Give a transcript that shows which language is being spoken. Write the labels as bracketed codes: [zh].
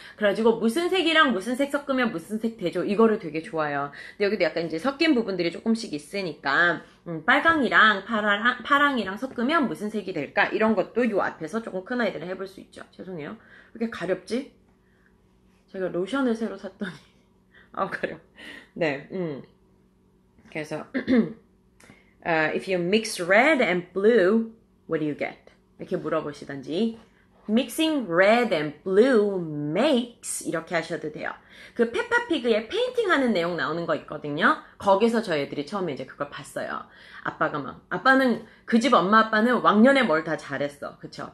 [ko] 그래가지고 무슨 색이랑 무슨 색 섞으면 무슨 색 되죠? 이거를 되게 좋아해요. 근데 여기도 약간 이제 섞인 부분들이 조금씩 있으니까, 빨강이랑 파랑이랑 섞으면 무슨 색이 될까? 이런 것도 요 앞에서 조금 큰 아이들은 해볼 수 있죠. 죄송해요. 왜 이렇게 가렵지? 제가 로션을 새로 샀더니. 아, 가려. 네, 그래서, [en] if you mix red and blue, What do you get? [ko] 이렇게 물어보시던지, [en] mixing red and blue makes [ko] 이렇게 하셔도 돼요. 그 페파피그의 페인팅 하는 내용 나오는 거 있거든요. 거기서 저희 애들이 처음에 이제 그걸 봤어요. 아빠는 그집 엄마 아빠는 왕년에 뭘다 잘했어. 그쵸?